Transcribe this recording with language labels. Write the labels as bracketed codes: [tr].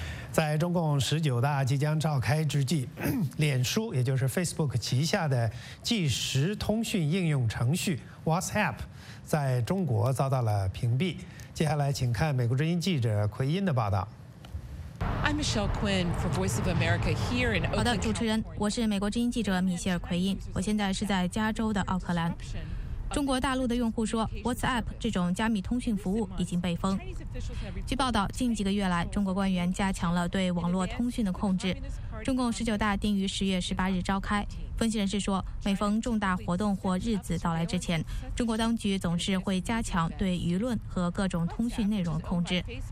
[zh] 在中共19大即将召开之际，脸书也就是 Facebook 旗下的即时通讯应用程序 WhatsApp 在中国遭到了屏蔽。接下来请看美国之音记者奎因的报道。 [en] I'm Michelle Quinn for Voice of America here in Oakland. [zh] 好的，主持人，我是美国之音记者米歇尔·奎因，我现在是在加州的奥克兰。中国大陆的用户说 ，WhatsApp 这种加密通讯服务已经被封。据报道，近几个月来，中国官员加强了对网络通讯的控制。中共19大定于10月18日召开。分析人士说，每逢重大活动或日子到来之前，中国当局总是会加强对舆论和各种通讯内容的控制。